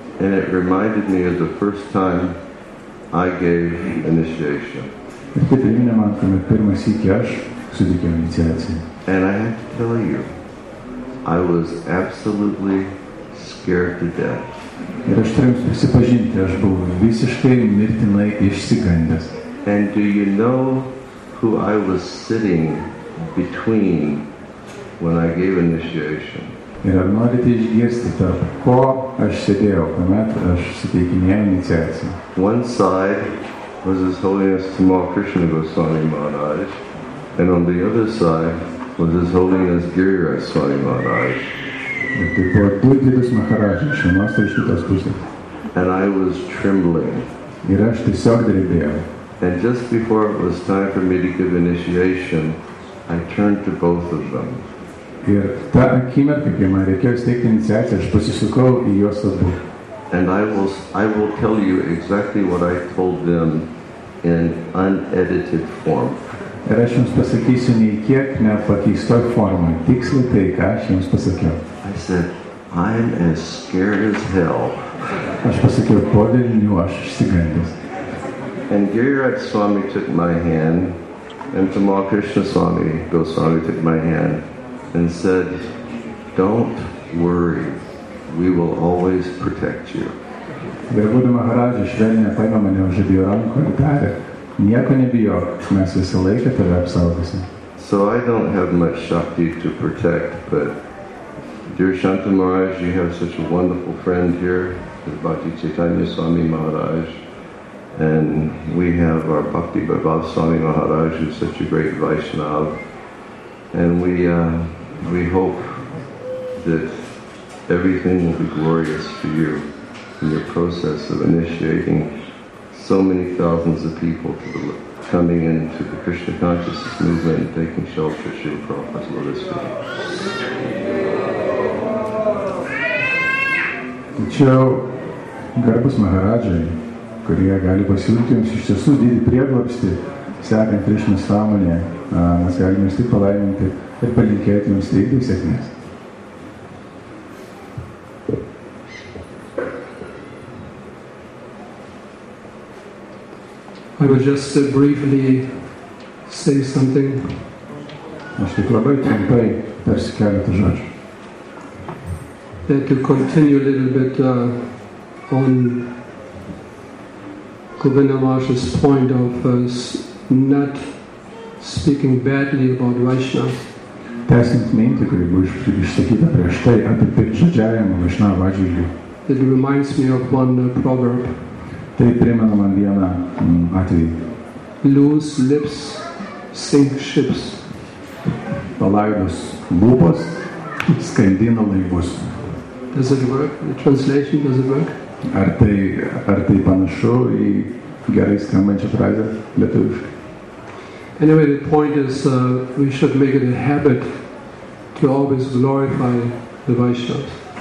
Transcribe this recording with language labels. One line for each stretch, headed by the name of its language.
English: And it reminded me of the first time I gave initiation.
Lithuanian: Ir taip priminė man, kad pirmą sykį aš suteikiau iniciaciją.
English: And I have to tell you, I was absolutely scared to death.
Lithuanian: Ir aš turiu jums prisipažinti, aš buvau visiškai mirtinai išsigandęs.
English: And do you know who I was sitting between when I gave initiation?
Lithuanian: Ir ar norite išgirsti, tarp ko aš sėdėjau, kuomet aš suteikinėjau iniciaciją?
English: One side was His Holiness Tamal Krishna Goswami Maharaj, and on the other side was His Holiness Giriraj Swami Maharaj.
Lithuanian: Ir taip pat du didis Maharajai, iš vienos ir iš kitos pusės.
English: And I was trembling.
Lithuanian: Ir aš tiesiog drebėjau.
English: And just before it was time for me to give initiation, I turned to both of them.
Lithuanian: Ir tą akimirką, kai man reikėjo steigti iniciaciją, aš pasisukau į juos abu.
English: And I will tell you exactly what I told them in unedited form.
Lithuanian: Ir aš jums pasakysiu nei kiek nepakeistoj formoj, tiksliai tai, ką aš jums pasakiau.
English: I said, I'm as scared as hell.
Lithuanian: Aš pasakiau, po devynių, aš išsigandęs.
English: And Giriraj Swami took my hand, and Tamal Krishna Swami Goswami took my hand, and said, don't worry, we will always protect you.
Lithuanian: Garbūdų Maharaja švelniai paėmė mane už abiejų rankų ir tarė, nieko nebijok, mes visą laiką tave apsaugosim.
English: So I don't have much Shakti to protect, but Dear Shanta Maharaj, you have such a wonderful friend here, Bhakti Chaitanya Swami Maharaj. And we have our Bhakti Vaibhav Swami Maharaj, who is such a great Vaishnav. And we hope that everything will be glorious for you in your process of initiating so many thousands of people to the, coming into the Krishna Consciousness Movement and taking shelter of Srila Prabhupada's lotus feet.
Lithuanian: Tačiau, garbus Maharajai, kurie gali pasiūlyti jums iš tiesų didį prieglobstį, sekant Krishna sąmonėje, mes galime jums tik palaiminti ir palinkėti jums didelės sėkmės.
English: I would just briefly say something.
Lithuanian: Aš tik labai trumpai tarsi keletą žodžių.
English: That to continue a little bit on Govinda Maharaj's point of not speaking badly about Vaishnava.
Lithuanian: Tęsint mintį, kuri buvo išsakyta prieš tai apie piktžodžiavimą Vaishnava atžvilgiu.
English: It reminds me of one proverb.
Lithuanian: Tai primena man vieną atvejį.
English: Loose lips sink ships.
Lithuanian: Palaidos lūpos skandina laivus.
English: Does it work? The translation, does it work?
Lithuanian: Ar tai panašu į gerai skambančią frazę lietuviškai?
English: Anyway, the point is we should make it a habit to always glorify the Vaishnavas.